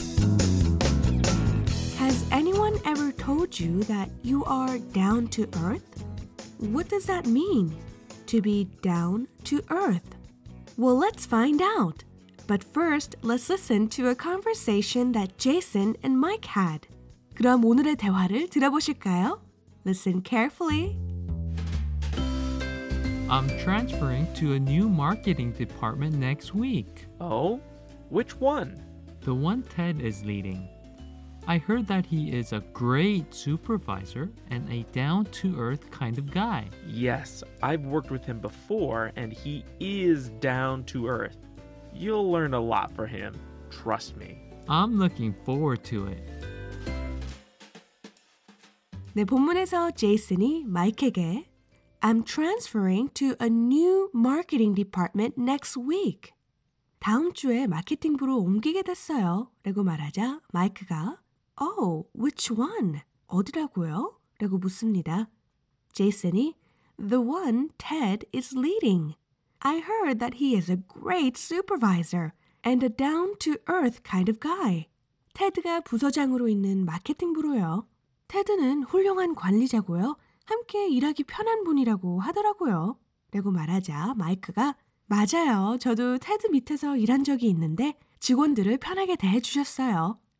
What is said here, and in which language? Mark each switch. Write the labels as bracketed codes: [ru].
[en] 'Has anyone ever told you that you are down to earth? What does that mean, to be down to earth? Well, let's find out. But first, let's listen to a conversation that Jason and Mike had. [ko] 그럼 오늘의 대화를 들어보실까요? [en] Listen carefully. I'm transferring to a new marketing department next week. Oh? Which one? The one Ted is leading. I heard that he is a great supervisor and a down-to-earth kind of guy. Yes, I've worked with him before, and he is down-to-earth. You'll learn a lot from him. Trust me. I'm looking forward to it. [ko] 네, 본문에서 제이슨이 마이크에게 [en] I'm transferring to a new marketing department next week. [ko] 다음 주에 마케팅부로 옮기게 됐어요. 라고 말하자 마이크가 [en] Oh, which one? [ko] 어디라고요? 라고 묻습니다. 제이슨이 [en] The one Ted is leading. I heard that he is a great supervisor and a down-to-earth kind of guy. [ko] 테드가 부서장으로 있는 마케팅부로요. 테드는 훌륭한 관리자고요. 함께 일하기 편한 분이라고 하더라고요. 라고 말하자 마이크가 맞아요. 저도 테드 밑에서 일한 적이 있는데 직원들을 편하게 대해주셨어요.